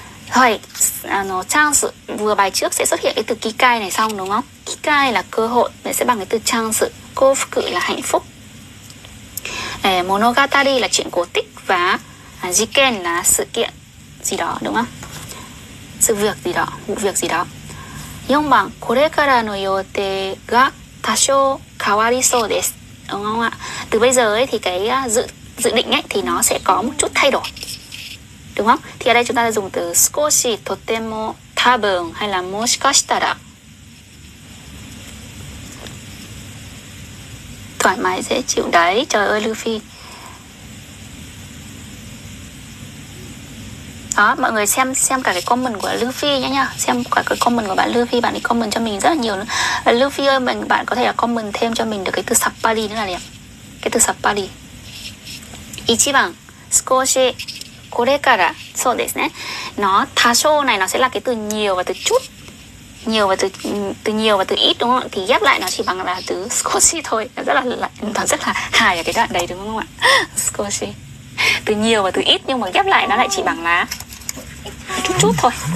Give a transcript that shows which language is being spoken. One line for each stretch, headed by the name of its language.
Vietnamese: Thôi, chance, vừa bài trước sẽ xuất hiện cái từ kikai này xong đúng không? Kikai là cơ hội, mình sẽ bằng cái từ chance. Kofuku là hạnh phúc. Monogatari là chuyện cổ tích. Và jiken là sự kiện gì đó đúng không? Sự việc gì đó, vụ việc gì đó.
Japanese: 4 番, これからの予定が多少変わりそうです。
Vietnamese: đúng không ạ? Từ bây giờ ấy, thì cái dự định ấy, thì nó sẽ có một chút thay đổi. Đúng không? Thì ở đây chúng ta dùng từ 少し, とても, 多分, hay là もしかしたら. Thoải mái, dễ chịu đấy. Trời ơi, Luffy. Đó, mọi người xem cả cái comment của Luffy nhá. Xem cả cái comment của bạn Luffy. Bạn ấy comment cho mình rất là nhiều nữa. Luffy ơi, bạn có thể là comment thêm cho mình được cái từ sappari nữa là đẹp. Cái từ sappari.
Japanese: 1 番, 少し, これから, so desu ne.
Vietnamese: Nó, 多少 này nó sẽ là cái từ nhiều và từ chút. Nhiều và từ nhiều và từ ít đúng không ạ? Thì ghép lại nó chỉ bằng là từ 少し thôi. Nó rất là hài ở cái đoạn đấy đúng không ạ?
Japanese: 少し.
Vietnamese: Từ nhiều và từ ít nhưng mà ghép lại nó lại chỉ bằng là chút chút thôi.